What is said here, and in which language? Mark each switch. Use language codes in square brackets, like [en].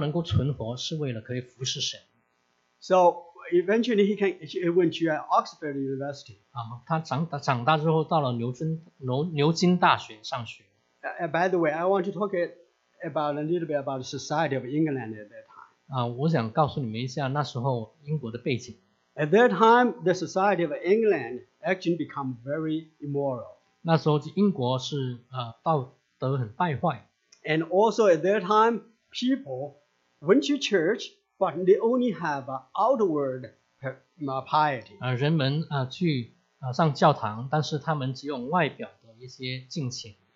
[zh] 他会想到神使他能够存活是为了可以服侍神。 [en] So eventually he went to Oxford University. [zh] 他长大之后到了牛津大学上学。 [en] By the way, I want to talk about a little bit about the society of England at that time. [zh] 我想告诉你们一下那时候英国的背景。 [en] At that time, the society of England actually became very immoral. [zh] 那时候英国是道德很败坏。 [en] And also at that time, people went to church, but they only have outward piety. [zh] 人们去上教堂，但是他们只有外表的一些敬虔。